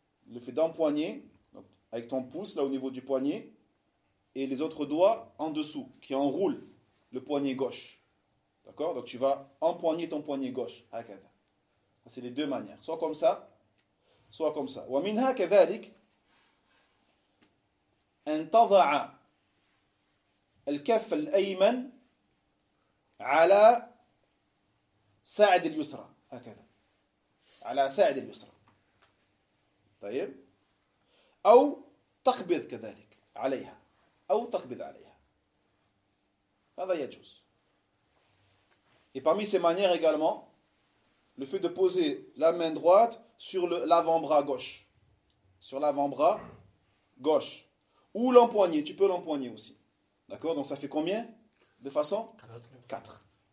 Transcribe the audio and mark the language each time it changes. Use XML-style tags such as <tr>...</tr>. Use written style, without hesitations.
<fr>Le fait d'empoigner donc avec ton pouce là au niveau du poignet et les autres doigts en dessous qui enroulent le poignet gauche. D'accord ? Donc tu vas empoigner ton poignet gauche.</fr> <ar>Hakada.</ar> <fr>C'est les deux manières. Soit comme ça, soit comme ça.</fr> <ar>Wa minha kadhalik an tadha'a al-kaff al-ayman ala ساعد اليسرى هكذا على ساعد اليسرى طيب او تقبض كذلك عليها او تقبض عليها هذا يجوز.</ar> <fr>Et parmi ces manières également, le fait de poser la main droite sur l'avant-bras gauche, sur l'avant-bras gauche. Ou l'empoigner, tu peux l'empoigner aussi. D'accord ? Donc ça fait combien de façons ? Quatre.</fr>